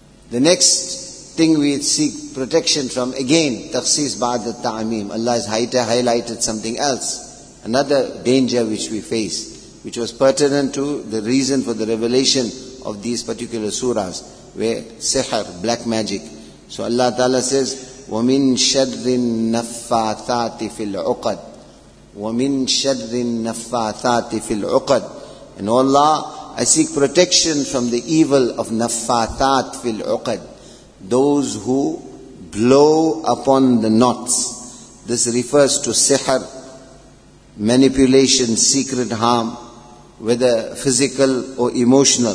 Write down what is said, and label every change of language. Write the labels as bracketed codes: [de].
[en] The next thing we seek protection from, again, takhsis ba'da ta'meem. Allah has highlighted something else. Another danger which we face, which was pertinent to the reason for the revelation of these particular surahs, where sihr, black magic. So Allah Ta'ala says, [ar] وَمِن شَرِّ النَّفَّاثَاتِ فِي الْعُقَدِ وَمِن شَرِّ النَّفَّاثَاتِ فِي الْعُقَدِ. [en] And O Allah, I seek protection from the evil of [ar] نَفَّاثَاتِ فِي الْعُقَدِ, [en] those who blow upon the knots. This refers to sihr, manipulation, secret harm, whether physical or emotional.